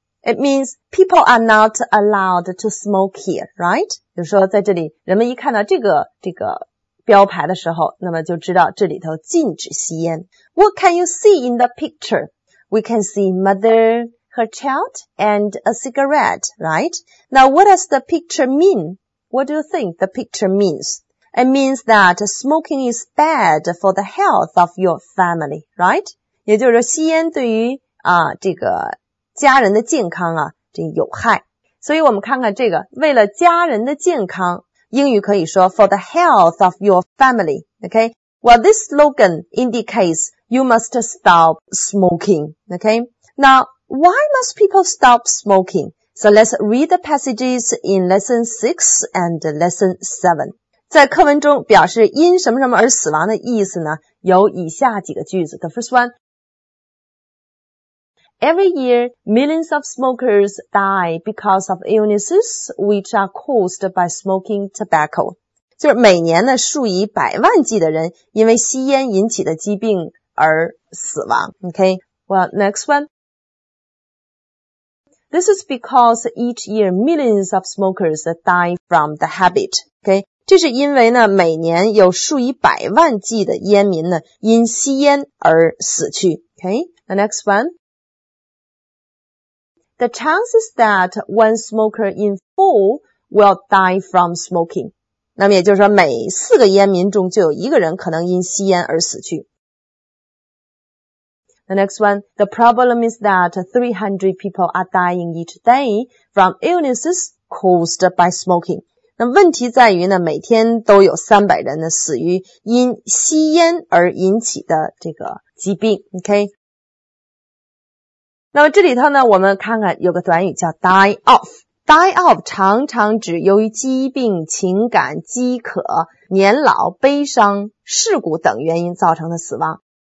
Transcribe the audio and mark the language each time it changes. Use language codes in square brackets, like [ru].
[en] It means people are not allowed to smoke here, right? [zh] 比如说在这里人们一看到这个标牌的时候，那么就知道这里头禁止吸烟。 [en] What can you see in the picture? We can see mother,her child and a cigarette, right? Now, what does the picture mean? What do you think the picture means? It means that smoking is bad for the health of your family, right? [zh] 也就是吸烟对于这个家人的健康啊，这有害。所以我们看看这个，为了家人的健康，英语可以说 [en] for the health of your family, okay? Well, this slogan indicates you must stop smoking, okay? Now,Why must people stop smoking? So let's read the passages in lesson 6 and lesson 7. [zh] 在课文中表示因什么什么而死亡的意思呢？有以下几个句子。 [en] The first one. Every year, millions of smokers die because of illnesses which are caused by smoking tobacco. [zh] 就是每年呢，数以百万计的人因为吸烟引起的疾病而死亡。 [en] Okay? Well, next one. This is because each year millions of smokers die from the habit. [zh] Okay, 这是因为呢，每年有数以百万计的烟民呢，因吸烟而死去。 [en] Okay, the next one. The chances that one smoker in 4 will die from smoking. [zh] 那么也就是说，每四个烟民中就有一个人可能因吸烟而死去。 [en] The next one, the problem is that 300 people are dying each day from illnesses caused by smoking. [zh] 那问题在于呢，每天都有300人呢死于因吸烟而引起的这个疾病。 [en] OK? [zh] 那么这里头呢，我们看看有个短语叫 die of。 Die of 常常指由于疾病、情感、饥渴、年老、悲伤、事故等原因造成的死亡。